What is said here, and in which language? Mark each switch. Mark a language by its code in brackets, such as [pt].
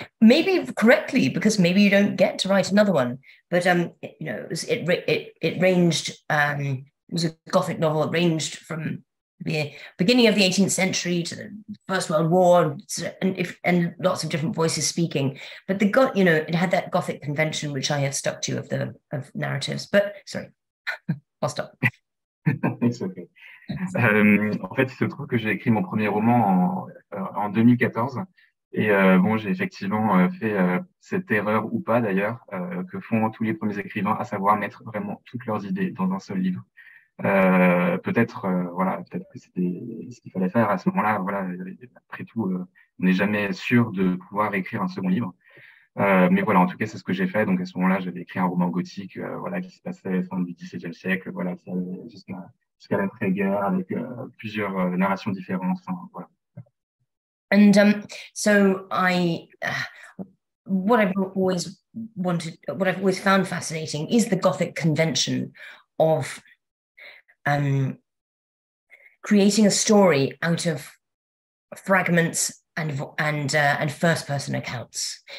[en] Maybe correctly, because maybe you don't get to write another one. But, you know, it ranged, it was a Gothic novel. It ranged from the beginning of the 18th century to the First World War, and lots of different voices speaking. But the got, you know, it had that Gothic convention, which I have stuck to, of narratives. But sorry, I'll stop. It's okay. [fr] En fait, il se trouve que j'ai écrit mon premier roman en 2014. Et bon, j'ai effectivement fait cette erreur, ou pas d'ailleurs, que font tous les premiers écrivains, à savoir mettre vraiment toutes leurs idées dans un seul livre. Peut-être que c'était ce qu'il fallait faire à ce moment-là. Voilà, après tout, on n'est jamais sûr de pouvoir écrire un second livre. Mais voilà, en tout cas, c'est ce que j'ai fait. Donc à ce moment-là, j'avais écrit un roman gothique, voilà, qui se passait fin du XVIIe siècle, voilà, jusqu'à l'après-guerre, avec plusieurs narrations différentes. Enfin, voilà. [en] And so I, what I've always wanted, what I've always found fascinating, is the Gothic convention of creating a story out of fragments and first person accounts.